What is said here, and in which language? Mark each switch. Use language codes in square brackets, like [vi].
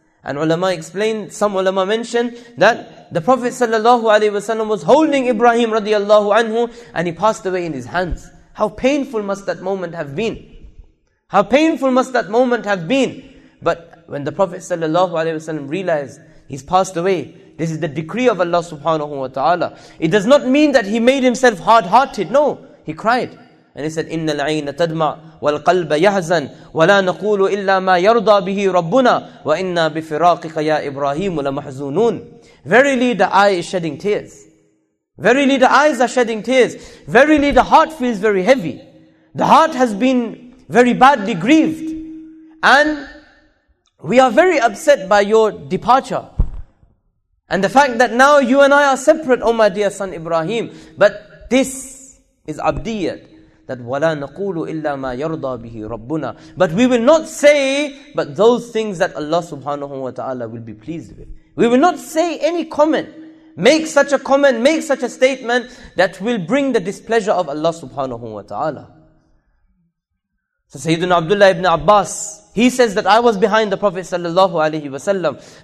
[en] And ulama explained, some ulama mentioned that the Prophet sallallahu alaihi wasallam was holding Ibrahim radiallahu anhu and he passed away in his hands. How painful must that moment have been? How painful must that moment have been? But when the Prophet sallallahu alaihi wasallam realized he's passed away, this is the decree of Allah subhanahu wa ta'ala. It does not mean that he made himself hard-hearted. No, he cried. And he said, [ar] إِنَّ الْعَيْنَ تَدْمَعْ وَالْقَلْبَ يَحْزَنْ وَلَا نَقُولُ إِلَّا مَا يَرْضَى بِهِ رَبُّنَا وَإِنَّا بِفِرَاقِكَ يَا إِبْرَاهِيمُ لَمَحْزُونُونَ. [en] Verily the eye is shedding tears. Verily the eyes are shedding tears. Verily the heart feels very heavy. The heart has been very badly grieved. And we are very upset by your departure. And the fact that now you and I are separate, oh my dear son Ibrahim. But this is abdiyat. That [ar] وَلَا نَقُولُ إِلَّا مَا يَرْضَى بِهِ رَبُّنَا. [en] But we will not say but those things that Allah subhanahu wa ta'ala will be pleased with. We will not say any comment, make such a comment, make such a statement that will bring the displeasure of Allah subhanahu wa ta'ala. So Sayyidina Abdullah ibn Abbas, he says that I was behind the Prophet sallallahu alayhi wa sallam.